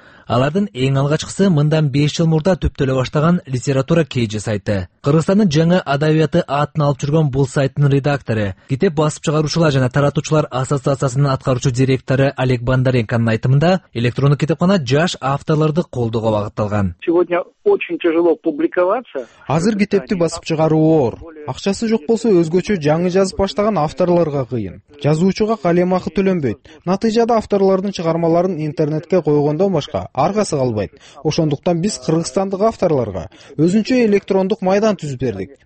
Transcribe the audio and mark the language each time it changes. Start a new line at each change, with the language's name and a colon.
Kyrgyz: Алардын эң алгачкысы мындан 5 жыл мурда түптөлө баштаган литература KG сайты. Кыргызстандын жаңы адабияты атын алып жүргөн бул сайттын редактору, китеп басып чыгаруучулар жана таратуучулар ассоциациясынын аткаруучу директору Олег Бондаренконун айтымында, электрондук китепкана жаш авторлорду колдоого багытталган.
Russian: Сегодня очень тяжело публиковаться.
Kyrgyz: Азыр китепти басып чыгаруу оор. Акчасы жок болсо өзгөчө жаңы жазып баштаган авторлорго кыйын. Жазуучуга калем акы төлөнбөйт. Натыйжада авторлордун чыгармаларын интернетке койгондон башка аргасы калбайт. Ошондуктан биз кыргызстандык авторлорго өзүнчө электрондук майдан түзүп бердик.